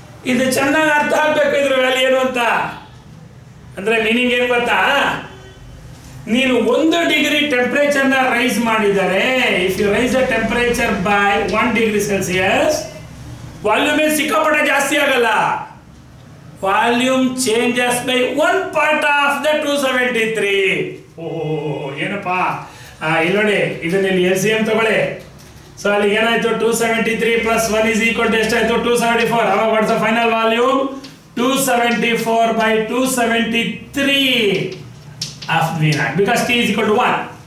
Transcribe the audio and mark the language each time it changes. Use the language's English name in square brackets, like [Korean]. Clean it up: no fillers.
[Kannada] ಇದು ಚೆನ್ನಾಗಿ ಅರ್ಥ ಆಗ್ಬೇಕು ಇದ್ರ ವ್ಯಾಲ್ಯೂ ಅಂತ. ಅಂದ್ರೆ ಮೀನಿಂಗ್ ಏನ್ ಗೊತ್ತಾ, ನೀನು 1 ಡಿಗ್ರಿ ಟೆಂಪರೇಚರ್ ನ ರೈಸ್ ಮಾಡಿದರೆ, [English] if you rise the temperature by 1 degree Celsius, [Kannada] volume ಸಿಕ್ಕಾಪಟ್ಟೆ ಜಾಸ್ತಿ ಆಗಲ್ಲ. [English] Volume changes by one part of the 273. [Kannada] Oh, ಏನಪ್ಪ ಇಲ್ಲಿ ನೋಡಿ, ಇದನ್ನ ಇಲ್ಲಿ ಎಲ್ ಸಿ ಎಂ ತಗೊಳ್ಳಿ. [English] so [Kannada] ಅಲ್ಲಿ ಏನಾಯ್ತು, [English] 273 + 1 is equal to [Kannada] ಎಷ್ಟಾಯ್ತು, [English] 274. ಅವಾಗ what's the final volume, 274/273 of T is equal to 1.